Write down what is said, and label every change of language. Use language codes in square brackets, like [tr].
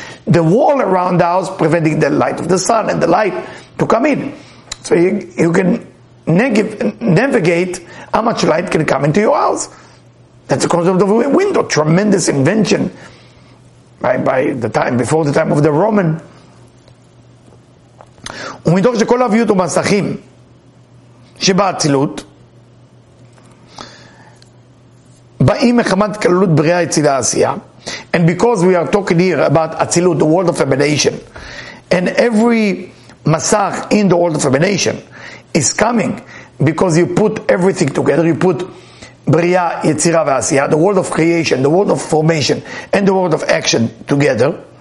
[en] The wall around the house preventing the light of the sun and the light to come in. So you can navigate how much light can come into your house. That's the concept of a window. Tremendous invention. By the time, before the time of the Roman. [he] ומתוך שכל הוויות ומסכים שבאצילות באים מחמת כללות בריאה יצילה עשייה. [en] And because we are talking here about אצילות, the world of emanation, and every מסך in the world of emanation is coming because you put everything together, you put [he] בריאה, יצירה ועשייה, [en] the world of creation, the world of formation, and the world of action together.